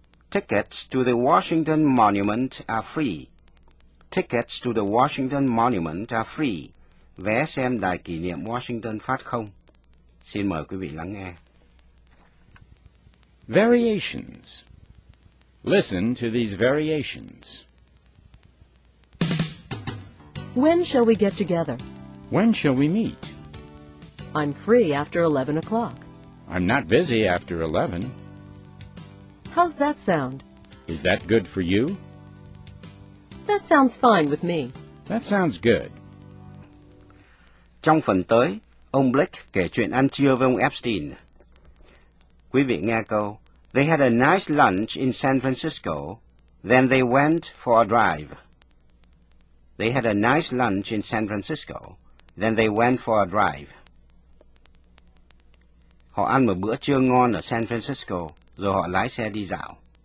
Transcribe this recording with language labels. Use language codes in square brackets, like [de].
[en] Tickets to the Washington Monument are free. Tickets to the Washington Monument are free. [vi] Vé xem đài kỷ niệm Washington phát không? Xin mời quý vị lắng nghe. [en] Variations. Listen to these variations. When shall we get together? When shall we meet? I'm free after 11 o'clock. I'm not busy after 11. How's that sound? Is that good for you? That sounds fine with me. That sounds good. [vi] Trong phần tới, ông Blake kể chuyện ăn trưa với ông Epstein. Quý vị nghe câu. [en] They had a nice lunch in San Francisco, then they went for a drive. They had a nice lunch in San Francisco, then they went for a drive. [vi] Họ ăn một bữa trưa ngon ở San Francisco, rồi họ lái xe đi dạo.